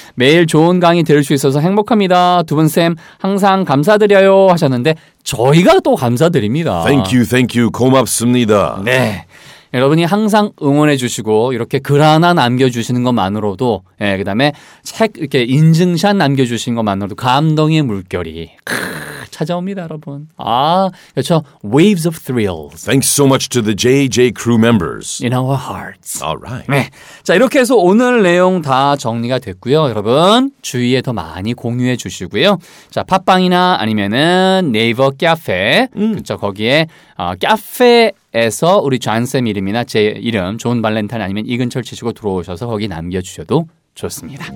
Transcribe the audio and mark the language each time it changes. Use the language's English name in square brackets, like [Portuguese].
[Korean] 매일 좋은 강의 들을 수 있어서 행복합니다. 두 분 쌤 항상 감사드려요 하셨는데 저희가 또 감사드립니다. [English] Thank you, [Korean] 고맙습니다. 네. 여러분이 항상 응원해 주시고 이렇게 글 하나 남겨주시는 것만으로도 예, 그다음에 책 이렇게 인증샷 남겨주신 것만으로도 감동의 물결이 크, 찾아옵니다, 여러분. 아, 그렇죠. [English] Waves of thrills. Thanks so much to the JJ crew members. In our hearts. All right. [Korean] 네. 자, 이렇게 해서 오늘 내용 다 정리가 됐고요. 여러분, 주위에 더 많이 공유해 주시고요. 자, 팟빵이나 아니면은 네이버 카페. 그렇죠. 거기에 카페 에서 우리 존쌤 이름이나 제 이름 존 발렌타인 아니면 이근철 치시고 들어오셔서 거기 남겨주셔도 좋습니다.